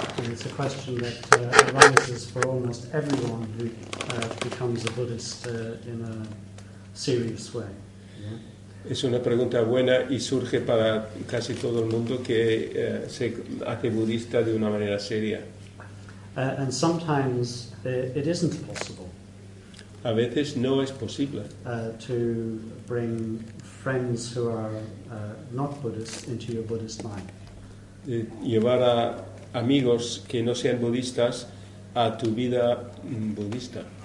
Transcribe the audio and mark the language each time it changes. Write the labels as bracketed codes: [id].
[en] and it's a question that arises for almost everyone who becomes a Buddhist in a serious way. [es] Es una pregunta buena y surge para casi todo el mundo que se hace budista de una manera seria. [en] And sometimes it isn't possible. [es] A veces no es posible. [en] To bring friends who are not Buddhist into your Buddhist life. [es] De llevar a amigos que no sean budistas a tu vida budista.